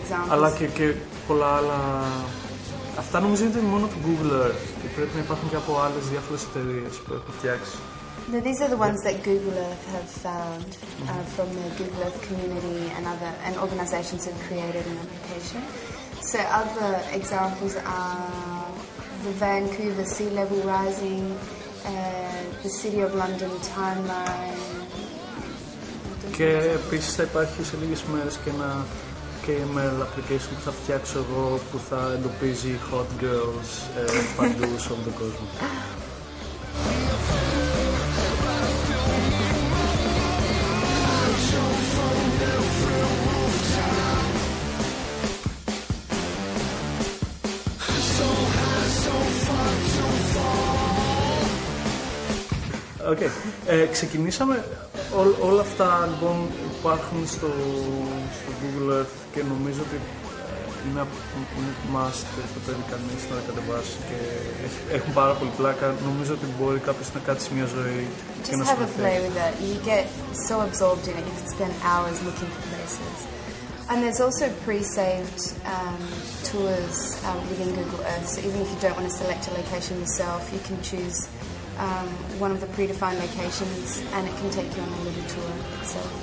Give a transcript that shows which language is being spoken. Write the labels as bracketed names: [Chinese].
[Greek] Αλλά και πολλά άλλα. Αυτά νομίζω είναι μόνο του Google Earth και πρέπει να υπάρχουν και από άλλες διάφορες εταιρείες που έχουν φτιάξει. [English] Now these are the ones that Google Earth have found from the Google Earth community and other and organizations have created an application. So other examples are the Vancouver sea level rising. The City of London timeline. [Greek] Και επίσης θα υπάρχει σε λίγες μέρες και ένα KML application που θα φτιάξω εγώ που θα εντοπίζει hot girls παντού σε όλο τον κόσμο. Okay. Ξεκινήσαμε, όλα αυτά λοιπόν υπάρχουν στο Google Earth και νομίζω ότι είναι must, θα πρέπει κανείς να τα κατεβάσει και έχουν πάρα πολύ πλάκα. Νομίζω ότι μπορεί κάποιος να κάτσει μια ζωή [English] just [Greek] και να σπαθεί. [English] Just have a play with it. You get so absorbed in it, you can spend hours looking for places. And there's also pre-saved tours within Google Earth, so even if you don't want to select a location yourself, you can choose one of the predefined locations and it can take you on a little tour itself.